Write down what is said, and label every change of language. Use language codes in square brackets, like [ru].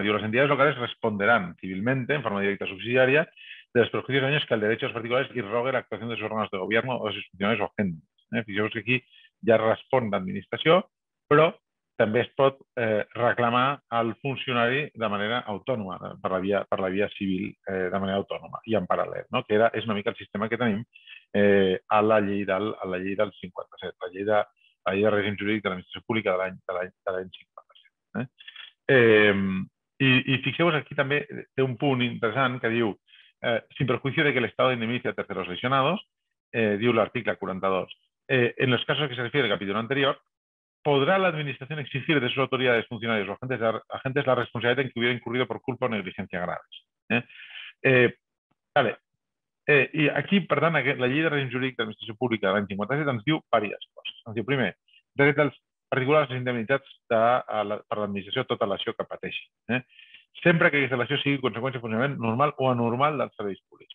[ca] Diu, les entitats locals responderan civilment en forma directa subsidiària [es] de los perjuicios daños que el derecho a los particulares irrogue la actuación de sus órganos de gobierno o de sus funcionarios o agentes. [ca] Fixeu-vos que aquí ja respon l'administració, però també es pot reclamar al funcionari de manera autònoma, per la via civil de manera autònoma i en paral·lel, no? Que és una mica el sistema que tenim a la llei del 57, la llei de règim jurídic de l'administració pública de l'any 57. I fixeu-vos aquí també té un punt interessant que diu [es] sin perjuicio de que el Estado indemnice a terceros lesionados, [ca] diu l'article 42, [es] en los casos que se refiere al capítulo anterior, podrá la administración exigir de sus autoridades, funcionarios o agentes la responsabilidad en que hubiera incurrido por culpa o negligencia graves. [ca] I aquí, per tant, la llei de règim jurídic de l'administració pública de l'any 57 ens diu diverses coses. Ens diu, primer, dret als particulars les indemnitats per l'administració a tota l'acció que pateixi. Sempre que aquesta lesió sigui conseqüència de funcionament normal o anormal dels serveis públics.